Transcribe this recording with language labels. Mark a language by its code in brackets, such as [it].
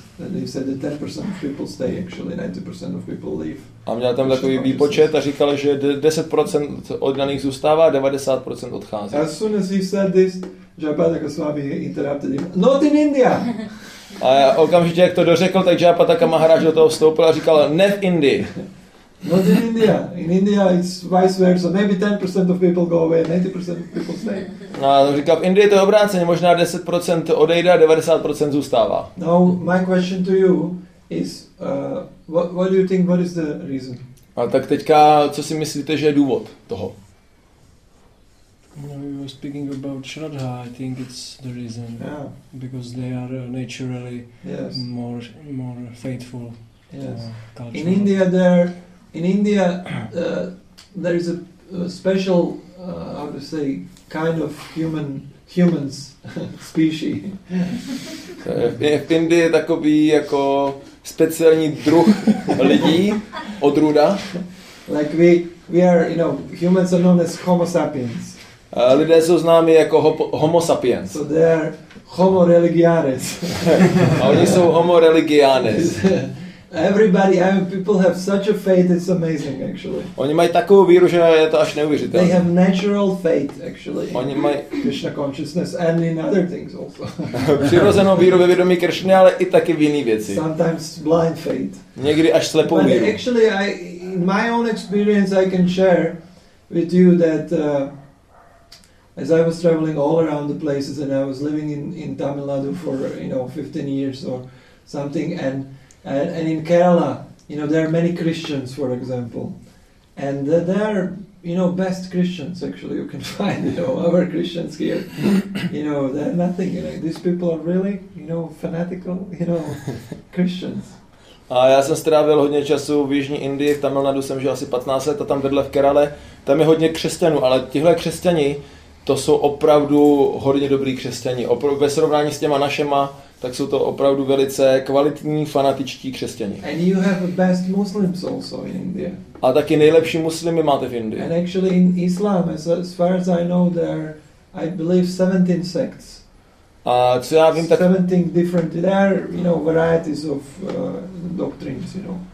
[en] And he said that 10% of people stay, actually 90% of people leave. [cs] A měl tam takový výpočet a říkal, že 10% oddaných zůstává, 90% odchází. [en] As soon as he said this, Japataka Swami interrupted him. Not in India! [cs] A okamžitě, jak to dořekl, tak Japataka Maharaj do toho vstoupil a říkal, [en] not in India. Not in India. In India it's vice versa. Maybe 10% of people go away, 90% of people stay. [cs] No, on říká, v Indii je to obráceně, možná 10% odejde a 90% zůstává. [en] No, my question to you is, what do you think, what is the reason? [cs] A tak teďka, co si myslíte, že je důvod toho? [en] When we were speaking about Shraddha, I think it's the reason. Yeah. Because they are naturally yes. more faithful. Yes. In India, there is a special, how to say, kind of humans species. [cs] V Indii je takový jako speciální druh lidí, odrůda. [en] Like we are, you know, humans are known as Homo sapiens. [cs] Lidé jsou známi jako Homo sapiens. [en] So they are Homo religiares. [cs] A oni jsou Homo religiares. [en] Everybody, I mean, people have such a faith, it's amazing actually. [cs] Oni mají takovou víru, že je to až neuvěřitelné. [en] They have natural faith actually. [cs] Oni mají [en] Krishna consciousness and in other things also. [cs] Přirozenou víru ve vědomí Krishna, ale i taky v jiné věci. [en] Sometimes blind faith. [cs] Někdy až slepou víru. [en] But actually in my own experience I can share with you that as I was traveling all around the places and I was living in Tamil Nadu for, you know, 15 years or something and in Kerala, you know, there are many Christians, for example, and they are, you know, best Christians, actually, you can find, you know, our Christians here, you know, they're nothing, you know, these people are really, you know, fanatical, you know, Christians. [cs] A já jsem strávil hodně času v jižní Indii, v Tamil Nadu jsem žil asi 15 let a tam vedle v Kerale, tam je hodně křesťanů, ale tihle křesťani, to jsou opravdu hodně dobrý křesťani, ve srovnání s těma našema, tak jsou to opravdu velice kvalitní fanatičtí křesťani. [en] And you have the best Muslims also in India. [cs] A taky nejlepší muslimy máte v Indii. [en] And actually in Islam, as far as I know, there are, I believe 17 sects. [cs] A co já vím, tak [en] 17 different there are, you know, varieties of doctrines, you know.